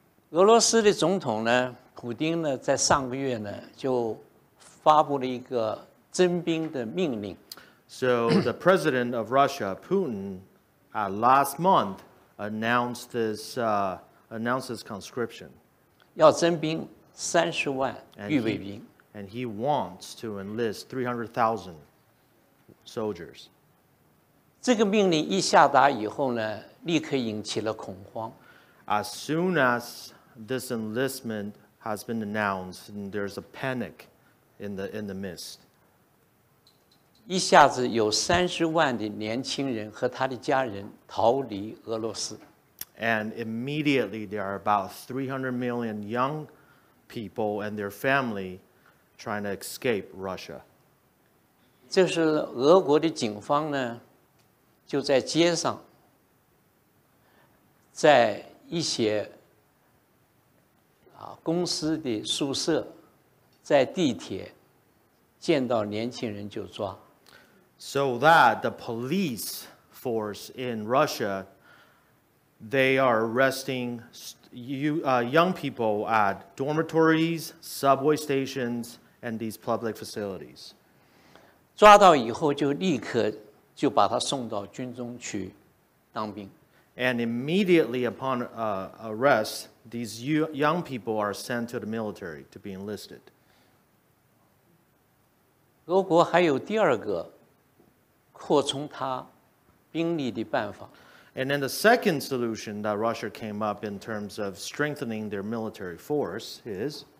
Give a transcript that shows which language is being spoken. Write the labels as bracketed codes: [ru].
[zh] 俄罗斯的总统呢，普丁呢，在上个月呢，就发布了一个征兵的命令。 [en] So the president of Russia, Putin, at last month announced this conscription. [zh] 要征兵30万预备兵。 [en] And he wants to enlist 300,000 soldiers. [zh] 这个命令一下达以后呢，立刻引起了恐慌。 [en] As soon as this enlistment has been announced, there's a panic in the midst. [zh] 一下子有30万的年轻人和他的家人逃离俄罗斯。 [en] And immediately there are about 300 million young people and their family. Trying to escape Russia. [zh] 这是俄国的警方呢，就在街上，在一些公司的宿舍，在地铁见到年轻人就抓。 [en] So that the police force in Russia, they are arresting young people at dormitories, subway stations. And these public facilities. [zh] 抓到以后就立刻就把他送到军中去当兵。 [en] And immediately upon arrest, these young people are sent to the military to be enlisted. [zh] 俄国还有第二个扩充他兵力的办法。 [en] And then the second solution that Russia came up in terms of strengthening their military force is.